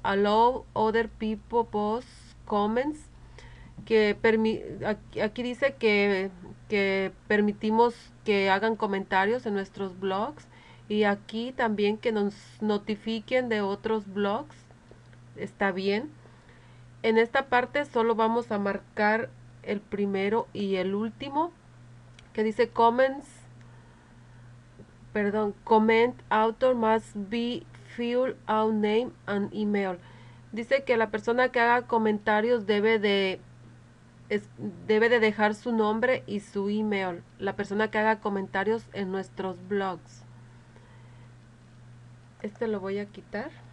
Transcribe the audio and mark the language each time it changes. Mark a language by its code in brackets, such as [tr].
[en] Allow other people post comments, [es] que aquí dice que permitimos que hagan comentarios en nuestros blogs. Y aquí también que nos notifiquen de otros blogs. Está bien. En esta parte solo vamos a marcar el primero y el último. Que dice comments. Perdón. [en] Comment author must be filled out name and email. [es] Dice que la persona que haga comentarios debe de dejar su nombre y su email. La persona que haga comentarios en nuestros blogs. Este lo voy a quitar.